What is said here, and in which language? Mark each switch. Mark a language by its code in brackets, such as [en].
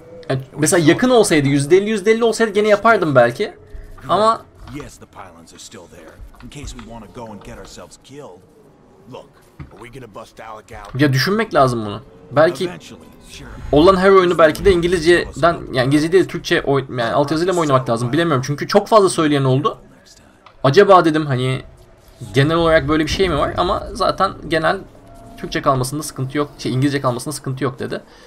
[tr] Yani mesela yakın olsaydı, %50 olsaydı gene yapardım belki. Ama [en] yes, the pylons are still there. In case we want to go and get ourselves killed. Look, are we gonna bust Alec out? [tr] Ya düşünmek lazım bunu. Belki olan her oyunu belki de İngilizceden, yani İngilizce değil Türkçe yani altyazıyla mı oynamak lazım bilemiyorum. Çünkü çok fazla söyleyen oldu. Acaba dedim hani genel olarak böyle bir şey mi var, ama zaten genel Türkçe kalmasında sıkıntı yok, şey, İngilizce kalmasında sıkıntı yok dedi.